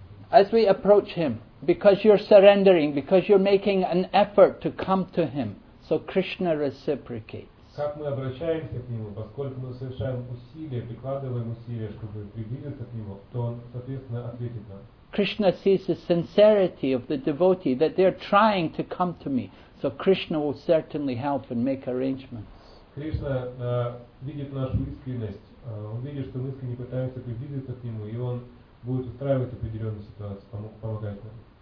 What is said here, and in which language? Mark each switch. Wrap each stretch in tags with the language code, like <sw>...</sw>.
<en>As we approach him, because you're surrendering, because you're making an effort to come to him, so Krishna reciprocates.</en> <ru>Как мы обращаемся к нему, поскольку мы совершаем усилия, прикладываем усилия, чтобы приблизиться к нему, то он, соответственно, ответит нам.</ru> <en>Krishna sees the sincerity of the devotee, that they're trying to come to me, so Krishna will certainly help and make arrangements.</en> <ru>Кришна видит нашу искренность, он видит, что мы искренне пытаемся приблизиться к нему, и он будет устраивать определенную ситуацию, помогать нам.</ru>